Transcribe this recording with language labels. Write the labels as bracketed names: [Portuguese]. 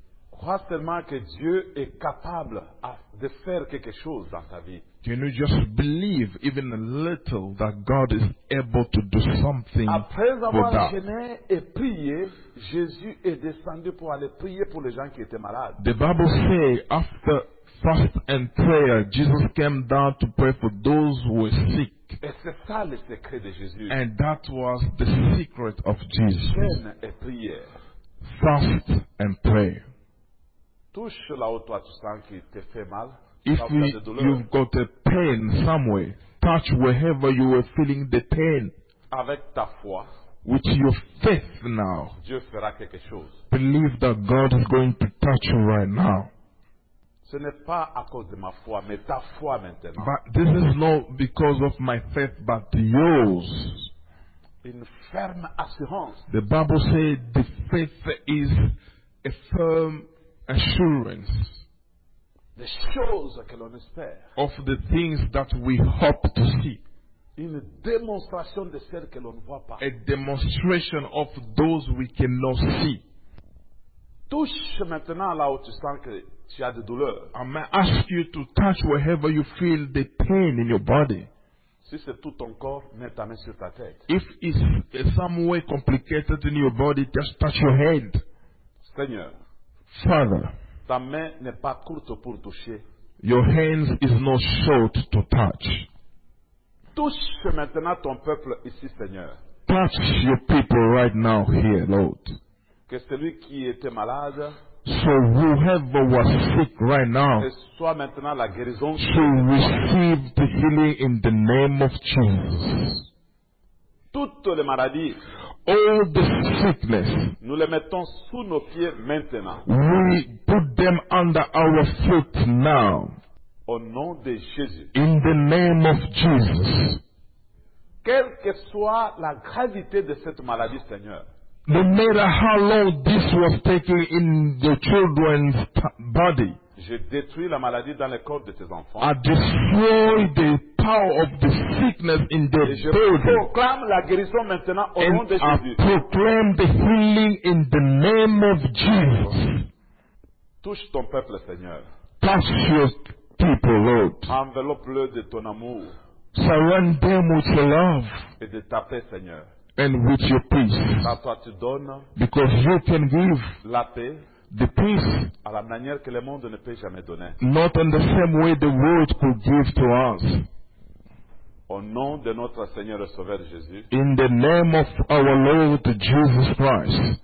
[French] Crois seulement que Dieu est capable de faire quelque chose dans ta vie. [English] Can you just believe even a little that God is able to do something for that? [French] Après avoir jeûné et prié, Jésus est descendu pour aller prier pour les gens qui étaient malades. [English] The Bible says after fast and prayer, Jesus came down to pray for those who were sick. [French] Et c'est ça le secret de Jésus. [English] And that was the secret of Jesus. [French] Jeûne et prière. [English] Fast and prayer. [French] Touche là où toi tu sens qu'il te fait mal. [English] If you've got a pain somewhere, touch wherever you are feeling the pain. [French] Avec ta foi. [English] With your faith now. [French] Dieu fera quelque chose. [English] Believe that God is going to touch you right now. [French] Ce n'est pas à cause de ma foi, mais ta foi maintenant. [English] But this is not because of my faith, but yours. [French] Une ferme assurance. [English] The Bible says the faith is a firm assurance. [French] The choses que l'on espère. [English] Of the things that we hope to see. [French] Une démonstration de celles que l'on ne voit pas. [English] A demonstration of those we cannot see. [French] Touche maintenant là où tu sens que tu as des douleurs. [English] I may ask you to touch wherever you feel the pain in your body. [French] Si c'est tout ton corps, mets ta main sur ta tête. [English] If it's some way complicated in your body, just touch your head. [French] Seigneur. [English] Father, [French] ta main n'est pas courte pour toucher. [English] Your hands is not short to touch. [French] Touche maintenant ton peuple ici, Seigneur. [English] Touch your people right now here, Lord. [French] Que celui qui était malade, [English] so whoever was sick right now, [French] soit maintenant la guérison, [English] should receive the healing in the name of Jesus. [French] Toutes les maladies, [English] all the sickness, [French] nous les mettons sous nos pieds maintenant. [English] We put them under our feet now. [French] Au nom de Jésus. [English] In the name of Jesus. [French] Quelle que soit la gravité de cette maladie, Seigneur. [English] No matter how long this was taking in the children's body, [French] je détruis la maladie dans le corps de tes enfants. [English] I destroy the power of the sickness in their body. [French] Je proclame la guérison maintenant au nom de Jésus. [English] I proclaim the healing in the name of Jesus. [French] Touche ton peuple, Seigneur. [English] Touch your people, Lord. [French] Enveloppe-le de ton amour. [English] Surround them with your love. [French] Et de ta paix, Seigneur. [English] And with your peace. [French] Par toi tu donnes, [English] because you can give [French] la paix, [English] the peace, [French] à la manière que le monde ne peut jamais donner. [English] Not in the same way the world could give to us. [French] Au nom de notre Seigneur et Sauveur Jésus. [English] In the name of our Lord Jesus Christ.